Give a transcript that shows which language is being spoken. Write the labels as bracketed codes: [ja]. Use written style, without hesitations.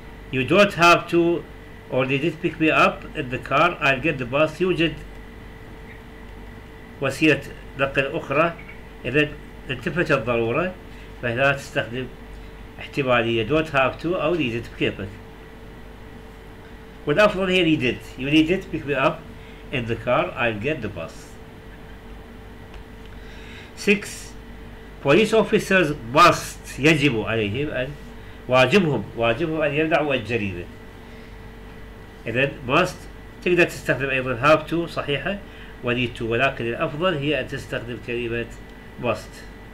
[en] You don't have to or need to pick me up in the car. I'll get the bus. [ar] يوجد وسيلة نقل أخرى إذا التفت الضرورة فهنا تستخدم احتمالية don't have to أو need to pick me up. والأفضل هي need it. [en] You need to pick me up in the car. I'll get the bus. [ar] 6 police officers must يجب عليهم أن واجبهم أن يمنعوا الجريمة. إذا must تقدر تستخدم أيضا have to صحيحة و need to ولكن الأفضل هي أن تستخدم كلمة must.